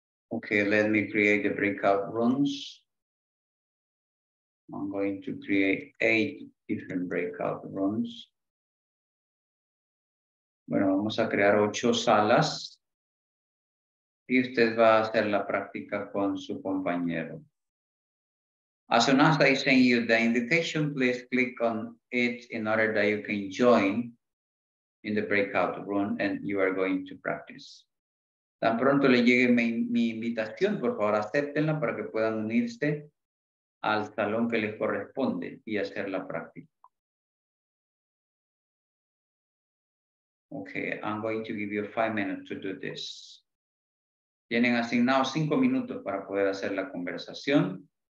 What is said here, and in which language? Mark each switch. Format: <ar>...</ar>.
<en>Okay, let me create the breakout rooms. I'm going to create 8 different breakout rooms.</en> <es>Bueno, vamos a crear 8 salas. Y usted va a hacer la práctica con su compañero.</es> <en>As soon as I send you the invitation, please click on it in order that you can join in the breakout room and you are going to practice.</en> <es>Tan pronto le llegue mi invitación, por favor, acéptenla para que puedan unirse al salón que les corresponde y hacer la práctica.</es> <en>Okay, I'm going to give you 5 minutes to do this.</en> <es>Tienen asignados 5 minutos para poder hacer la conversación.</es>